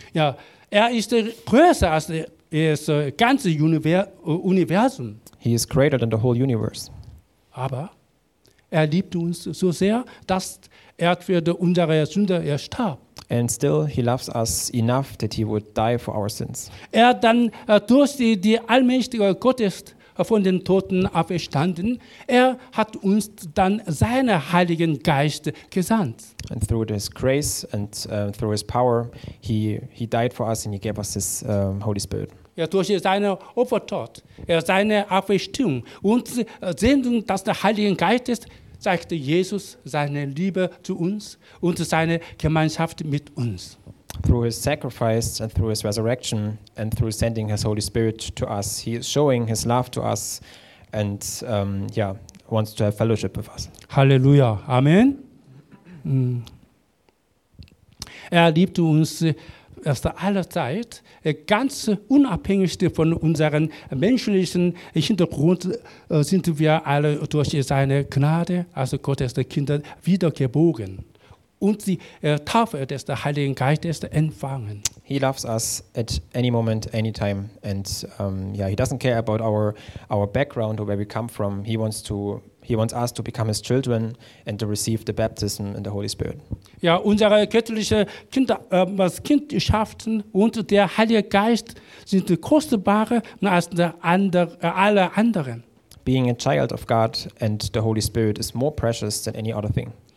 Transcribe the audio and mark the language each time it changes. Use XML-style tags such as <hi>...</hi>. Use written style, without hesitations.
<de>Ja, er ist größer als das ganze Universum.</de> <en>He is greater than the whole universe.</en> <de>Aber er liebt uns so sehr, dass er für unsere Sünde starb.</de> <en>And still he loves us enough that he would die for our sins.</en> <de>Er dann durch die allmächtige Gottes von den Toten auferstanden. Er hat uns dann seinen Heiligen Geist gesandt.</de> <en>And through his grace and through his power, he died for us and he gave us his Holy Spirit.</en> <de>Ja, durch seine Opfertod, seine Auferstehung und Sendung des Heiligen Geistes zeigte Jesus seine Liebe zu uns und seine Gemeinschaft mit uns.</de> <en>Through his sacrifice and through his resurrection and through sending his Holy Spirit to us, he is showing his love to us and wants to have fellowship with us.</en> <de>Halleluja. Amen. Er liebt uns aus aller Zeit, ganz unabhängig von unserem menschlichen Hintergrund, sind wir alle durch seine Gnade, also Gottes Kinder, wiedergeboren. Und die Taufe des Heiligen Geistes empfangen.</de> <en>He loves us at any moment, anytime, and he doesn't care about our background or where we come from. He wants us to become his children and to receive the baptism and the Holy Spirit.</en> <de>Ja, unsere göttliche Kindschaften und der Heilige Geist sind kostbarer als alle anderen.</de> <en>Being a child of God and the Holy Spirit is more precious than any other thing.</en>